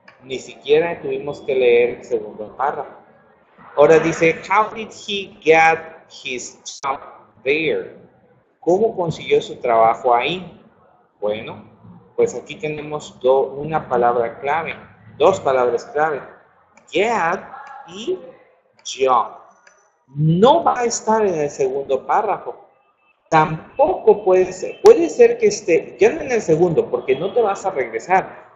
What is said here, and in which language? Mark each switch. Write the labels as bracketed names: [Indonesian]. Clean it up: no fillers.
[Spanish] Ni siquiera tuvimos que leer el segundo párrafo. Ahora dice, [English] how did he get his job there? [Spanish] ¿Cómo consiguió su trabajo ahí? Bueno, pues aquí tenemos una palabra clave, dos palabras clave. Get y job. No va a estar en el segundo párrafo. Tampoco puede ser. Puede ser que esté, ya no en el segundo, porque no te vas a regresar.